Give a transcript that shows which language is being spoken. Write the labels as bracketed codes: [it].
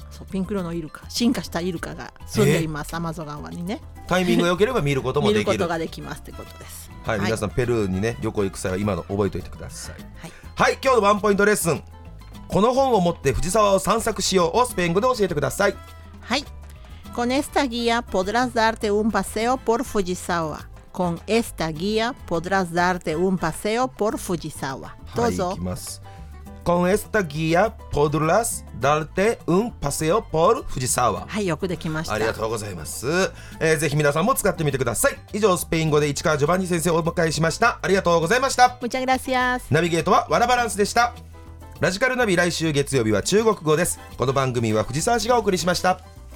[ja] そう、ピンク色のイルカ、進化したイルカが住んでいます。アマゾン川にね、タイミングが良ければ見ることもできる見ることができますってことです。はい、はい、皆さんペルーにね旅行行く際は今の覚えておいてください。はい、はい、今日のワンポイントレッスン、この本を持って藤沢を散策しようをスペイン語で教えてください。 [es] はい、Con esta guía podrás darte un paseo por Fujisawa. Con esta guía podrás darte un paseo por Fujisawa. [ja] Dozo. [es] Con esta guía podrás darte un paseo por Fujisawa. [ja] はい、よくできました。ありがとうございます。ぜひ皆さんも使ってみてください。以上、スペイン語で市川ジョバンニ先生をお迎えしました。ありがとうございました。 [es] Muchas gracias. [ja] ナビゲートはワラバランスでした。ラジカルナビ、来週月曜日は中国語です。この番組は藤沢氏がお送りしました。